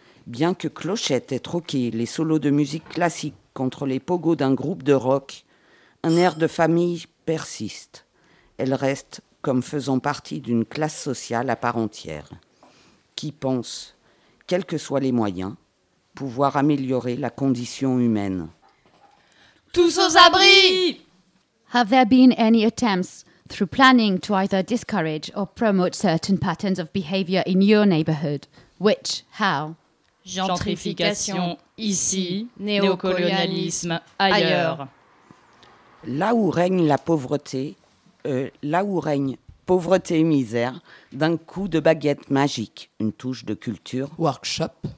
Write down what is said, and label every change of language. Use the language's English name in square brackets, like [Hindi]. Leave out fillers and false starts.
[French] Bien que Clochette ait troqué les solos de musique classique contre les pogos d'un groupe de rock, un air de famille persiste. Elle reste comme faisant partie d'une classe sociale à part entière, qui pense, quels que soient les moyens, pouvoir améliorer la condition humaine. Tous aux abris! [English] Have there been any attempts through planning to either discourage or promote certain patterns of behavior in your neighborhood? Which, how? [French] Gentrification, ici, néocolonialisme, ailleurs. Là où règne la pauvreté, misère, d'un coup de baguette magique, une touche de culture, [English] workshop,